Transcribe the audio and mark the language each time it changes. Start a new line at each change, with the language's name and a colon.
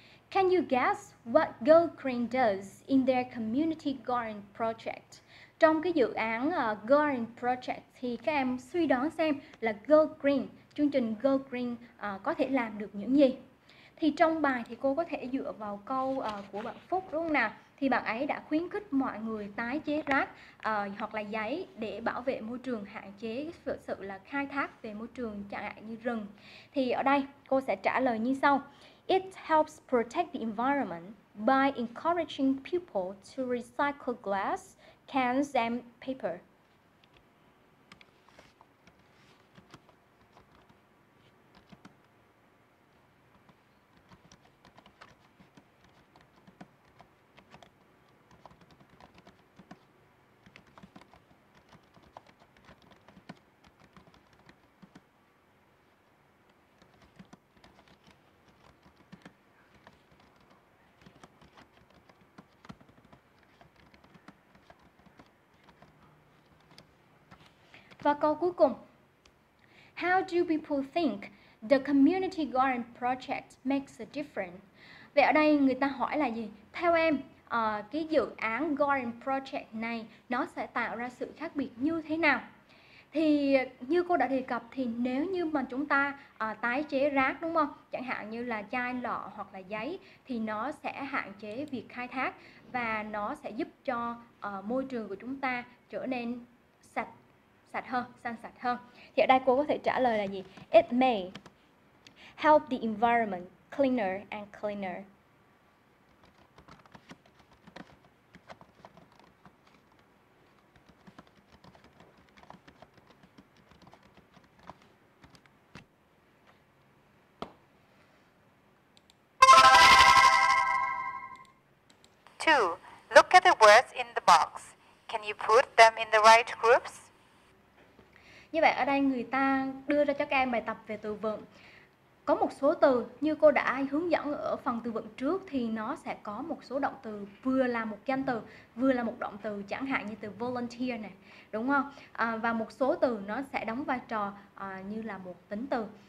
English: Can you guess what Go Green does in their community garden project?
Vietnamese: Trong cái dự án Garden Project thì các em suy đoán xem là Go Green, chương trình Go Green có thể làm được những gì. Thì trong bài thì cô có thể dựa vào câu của bạn Phúc đúng không nào? Thì bạn ấy đã khuyến khích mọi người tái chế rác hoặc là giấy để bảo vệ môi trường, hạn chế sự là khai thác về môi trường chẳng hạn như rừng. Thì ở đây cô sẽ trả lời như sau.
English: It helps protect the environment by encouraging people to recycle glass, cans and paper.
Vietnamese: Và câu cuối cùng,
English: how do people think the community garden project makes a difference?
Vietnamese: Vậy ở đây người ta hỏi là gì? Theo em, cái dự án garden project này nó sẽ tạo ra sự khác biệt như thế nào? Thì như cô đã đề cập thì nếu như mà chúng ta tái chế rác đúng không? Chẳng hạn như là chai lọ hoặc là giấy thì nó sẽ hạn chế việc khai thác và nó sẽ giúp cho môi trường của chúng ta trở nên sạch. Sạch hơn, xanh sạch hơn. Thì ở đây cô có thể trả lời là gì?
English: It may help the environment cleaner and cleaner. Two, look at the words in the box. Can you put them in the right groups?
Vietnamese: Như vậy ở đây người ta đưa ra cho các em bài tập về từ vựng. Có một số từ như cô đã hướng dẫn ở phần từ vựng trước thì nó sẽ có một số động từ vừa là một danh từ, vừa là một động từ, chẳng hạn như từ volunteer này, đúng không? Và một số từ nó sẽ đóng vai trò như là một tính từ.